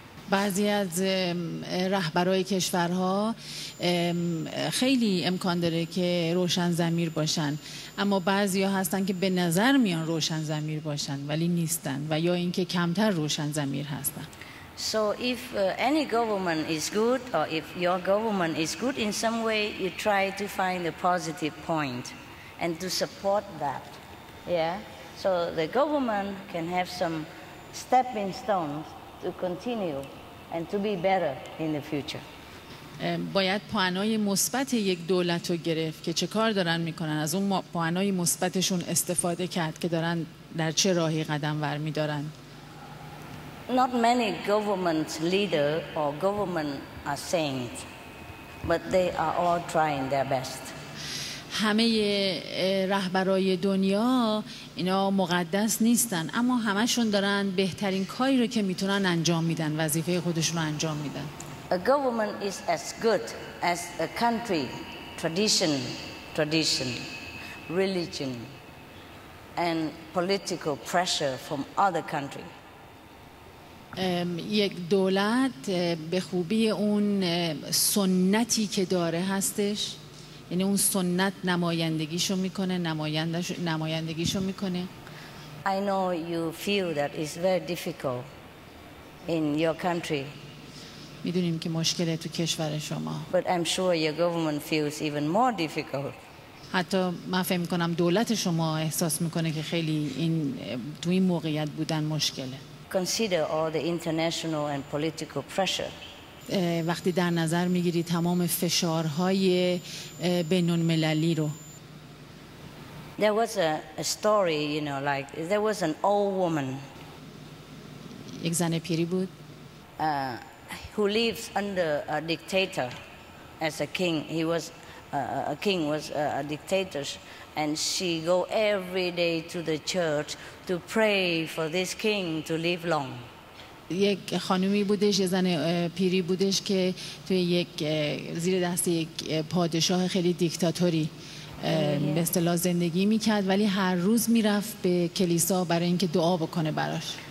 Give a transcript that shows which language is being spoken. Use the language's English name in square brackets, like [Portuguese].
[Persian] بعضی از رهبرای کشورها خیلی امکان داره که روشن ضمیر باشن اما بعضیا هستن که به نظر میان روشن ضمیر باشن ولی نیستن و یا اینکه کمتر روشن ضمیر هستن. [English] So if any government is good or if your government is good in some way, you try to find a positive point and to support that. Yeah, so the government can have some stepping stones to continue and to be better in the future. [Persian] باید پوانای مثبت یک دولت رو گرفت که چه کار دارن میکنن، از اون پوانای مثبتشون استفاده کرد که دارن در چه راهی قدم ور میدارن. [English] Not many government leader or government are saints, but they are all trying their best. [Persian] همه رهبرای دنیا اینا مقدس نیستن اما همشون دارن بهترین کاری رو که میتونن انجام میدن، وظیفه خودشون رو انجام میدن. [English] A government is as good as a country, tradition, religion and political pressure from other country. [Persian] یک دولت به خوبی اون سنتی که داره هستش، یعنی اون سنت نمایندگیشو میکنه، نمایندگیشو میکنه. [English] I know you feel that it's very difficult in your country. [Persian] میدونیم که مشکله تو کشور شما. [English] But I'm sure your government feels even more difficult. [Persian] حتی من فهم میکنم دولت شما احساس میکنه که خیلی این تو این موقعیت بودن مشکله. [English] Consider all the international and political pressure. [Persian] وقتی در نظر میگیری تمام فشارهای بین‌المللی رو. [English] There was a story, you know, like there was an old woman. [Persian] یک زن پیری بود. [English] Who lives under a dictator as a king. He was a king, was a dictator, and she go every day to the church to pray for this king to live long. [Persian] یک خانومی بودش، یه زن پیری بودش که توی یک زیر دست یک پادشاه خیلی دیکتاتوری به اصطلاح زندگی میکرد ولی هر روز میرفت به کلیسا برای اینکه دعا بکنه براش.